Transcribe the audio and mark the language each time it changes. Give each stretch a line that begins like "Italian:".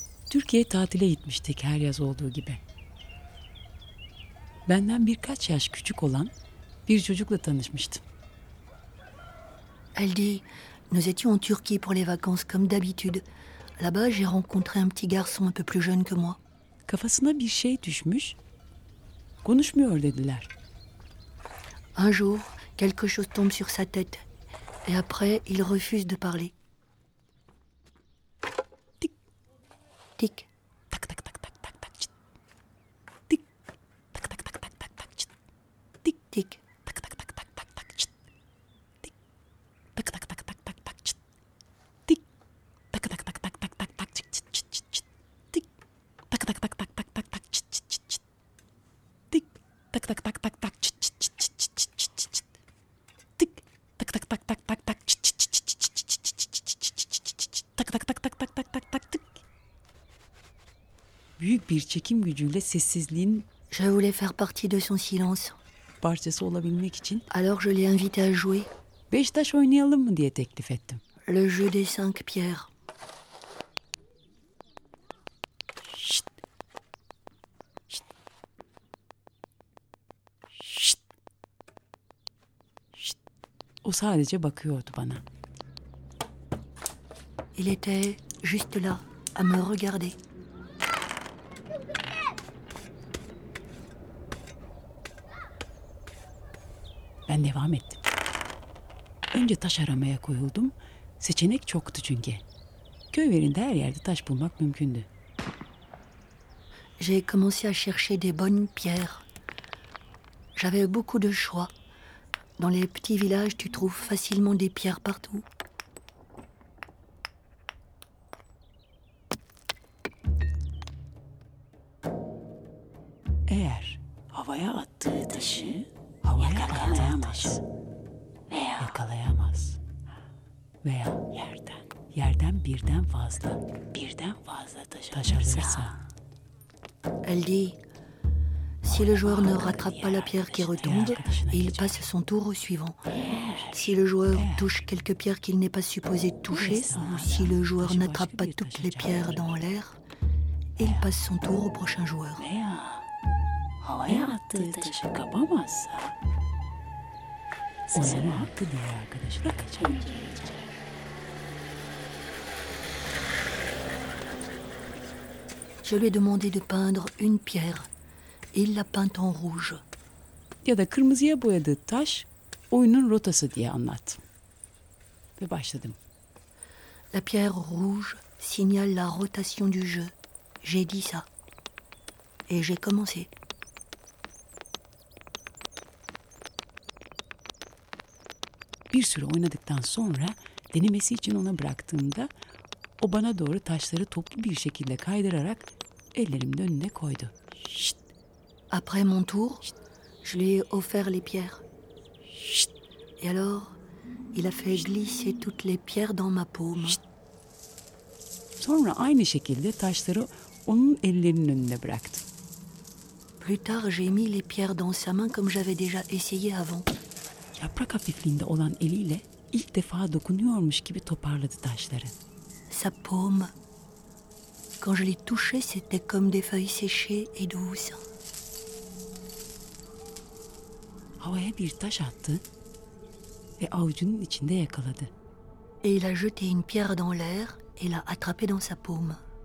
Turkish: Türkiye tatile gitmiştik her yaz olduğu gibi. Benden birkaç yaş küçük olan bir çocukla tanışmıştım.
French: Elle dit, nous étions en Turquie pour les vacances comme d'habitude. Là-bas, j'ai rencontré un petit garçon un peu plus jeune que moi.
Turkish: Kafasına bir şey düşmüş. Konuşmuyor dediler.
French: Un jour, quelque chose tombe sur sa tête et après, il refuse de parler. Tik. Tak tak tak tak tak tak. Tik. Tak tak tak tak tak tak. Tik tik. Tak tak tak tak tak tak. Tik. Tak tak tak tak tak tak. Tik. Tak tak tak tak tak tak tak. Tik. Tak tak tak tak tak tak. Tik. Tak tak tak tak tak. Tik. Tak tak tak tak tak. Tak tak tak tak tak tak tak tak tak tak.
Turkish: Büyük bir çekim gücüyle sessizliğin
French: je voulais faire partie de son silence.
Turkish: Parçası olabilmek için
French: alors je l'ai invité à jouer.
Turkish: Beş taş oynayalım mı diye teklif ettim.
French: Le jeu des cinq pierres. Şşt. Şşt. Şşt. Şşt.
Turkish: O sadece bakıyordu bana.
French: Il était juste là à me regarder.
Turkish: Ben devam ettim. Önce taş aramaya koyuldum. Seçenek çoktu çünkü. Köylerinde her yerde taş bulmak mümkündü.
French: J'ai commencé à chercher des bonnes pierres. J'avais beaucoup de choix. Dans les petits villages, tu trouves facilement des pierres partout.
Turkish: Eğer havaya attığı taşı yakalayamaz. Veya. Yakalayamaz. Veya. Yerden. Yerden birden fazla. Birden fazla taş alırsa.
French: Elle dit, si le joueur ne rattrape pas la pierre qui retombe, il passe son tour au suivant. Si le joueur touche quelques pierres qu'il n'est pas supposé toucher, ou si le joueur n'attrape pas toutes les pierres dans l'air, il passe son tour au prochain joueur.
Turkish: Havaya attığı taşı kapamazsa onun hakkı diğer arkadaşına kaçamayacak.
French: Je lui ai demandé de peindre une pierre. Il l'a peinte en rouge.
Turkish: Ya da kırmızıya boyadığı taş oyunun rotası diye anlat. Ve başladım.
French: La pierre rouge signale la rotation du jeu. J'ai dit ça. Et j'ai commencé.
Turkish: Bir süre oynadıktan sonra denemesi için ona bıraktığımda o bana doğru taşları toplu bir şekilde kaydırarak ellerimin önüne koydu.
French: Şşt. Après mon tour, Şşt. Je lui ai offert les pierres. Şşt. Et alors, il a fait Şşt. Glisser toutes les pierres dans ma paume. Şşt.
Turkish: Sonra aynı şekilde taşları onun ellerinin önüne bıraktım.
French: Plus tard, j'ai mis les pierres dans sa main comme j'avais déjà essayé avant.
Turkish: Yaprak hafifliğinde olan eliyle ilk defa dokunuyormuş gibi toparladı taşları.
French: Sa paume. Quand je l'ai touché, c'était comme des feuilles séchées et douces.
Turkish: Havaya bir taş attı ve avucunun içinde yakaladı.
French: Et il a jeté une pierre dans l'air et l'a attrapée dans sa paume.